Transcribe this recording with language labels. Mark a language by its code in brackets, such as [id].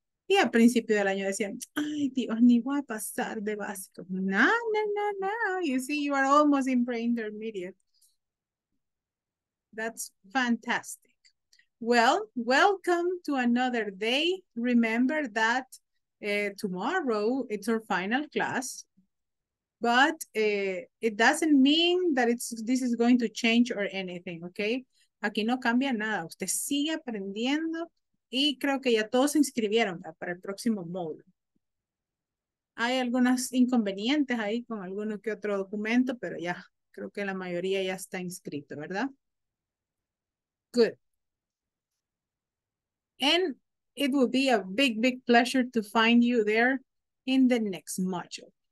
[es] Y al principio del año decían, ay, Dios, ni voy a pasar de básico. No, no, no, no. [en] You see, you are almost in pre-intermediate. That's fantastic. Well, welcome to another day. Remember that tomorrow it's our final class. But it doesn't mean that this is going to change or anything, okay? [es] Aquí no cambia nada. Usted sigue aprendiendo. Y creo que ya todos se inscribieron para el próximo módulo. Hay algunos inconvenientes ahí con alguno que otro documento, pero ya, creo que la mayoría ya está inscrito, ¿verdad? [en] Good. And it will be a big, big pleasure to find you there in the next module.